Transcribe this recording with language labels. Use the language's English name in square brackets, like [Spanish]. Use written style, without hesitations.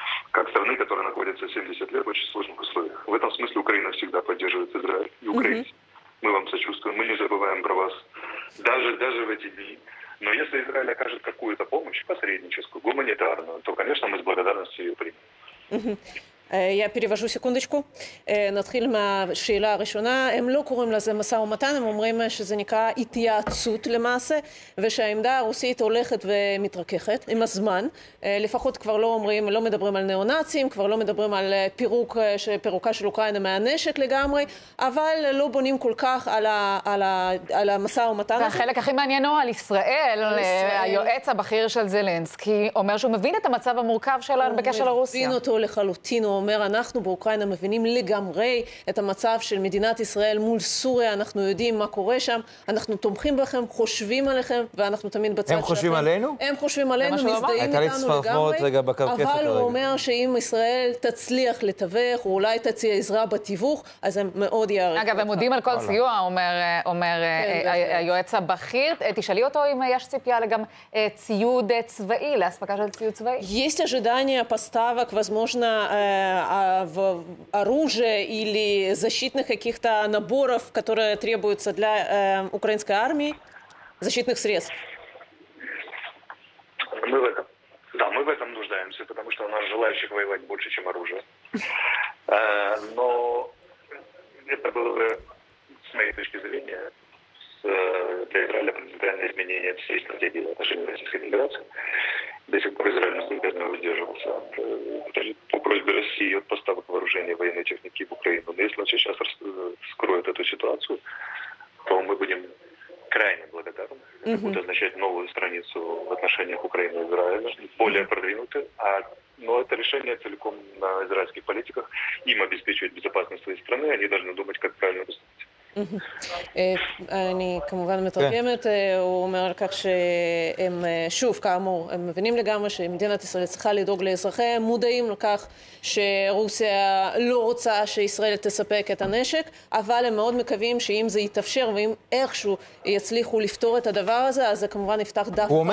[Russian] Как страны, которая находится 70 лет в очень сложных условиях. В этом смысле Украина всегда поддерживает Израиль и украинцы. Мы вам сочувствуем, мы не забываем про вас, даже в эти дни. Но если Израиль окажет какую-то помощь, посредническую, гуманитарную, то, конечно, мы с благодарностью ее примем. Я перевожу секундочку. [Hebrew] נתחיל מהשאלה הראשונה. הם לא קוראים לזה מסע ומתן, הם אומרים שזה נקרא התייעצות למעשה, ושהעמדה הרוסית הולכת ומתרככת עם הזמן. לפחות כבר לא אומרים, לא מדברים על נאונאצים, כבר לא מדברים על פירוקה של אוקראינה מהנשק לגמרי, אבל לא בונים כל כך על המסע ומתן. והחלק הכי מעניין הוא על ישראל, היועץ הבכיר של זלנסקי, אומר שהוא מבין את המצב המורכב שלנו בקשר לרוסיה. הוא מבין אותו לחלוטין. הוא אומר, אנחנו באוקראינה מבינים לגמרי את המצב של מדינת ישראל מול סוריה, אנחנו יודעים מה קורה שם, אנחנו תומכים בכם, חושבים עליכם, ואנחנו תמיד בצד שלכם. הם חושבים עלינו? הם חושבים עלינו, מזדהים איתנו לגמרי. הייתה לי ספרפורת רגע בקרקפת הרגע. אבל הוא אומר שאם ישראל תצליח לתווך, או אולי תציע עזרה בתיווך, אז הם מאוד יעריכו. אגב, הם מודים על כל סיוע, אומר היועץ הבכיר. תשאלי אותו אם יש ציפייה גם ציוד צבאי, להספקה של ציוד צבאי. [Russian] Есть ожидание поставок, возможно, оружия или защитных каких-то наборов, которые требуются для украинской армии, защитных средств? Мы в этом. Да, мы в этом нуждаемся, потому что у нас желающих воевать больше, чем оружие. Но это было бы, с моей точки зрения, для Израиля принципиальное изменение всей стратегии в отношении Российской Федерации. До сих пор Израиль неизбежно удерживался по просьбе России от поставок вооружения военной техники в Украину. Но если он сейчас вскроет эту ситуацию, то мы будем крайне благодарны. Это будет означать новую страницу в отношениях Украины и Израиля, более продвинутую. Но это решение целиком на израильских политиках. Им обеспечивать безопасность своей страны, они должны думать, как правильно поступить. [Hebrew] אני כמובן מתרגמת, הוא אומר כך שהם, שוב, כאמור, הם מבינים לגמרי שמדינת ישראל צריכה לדאוג לאזרחיה, מודעים לכך שרוסיה לא רוצה שישראל תספק את הנשק, אבל הם מאוד מקווים שאם זה יתאפשר ואם איכשהו יצליחו לפתור את הדבר הזה, אז זה כמובן יפתח דף חדש ביחסים בין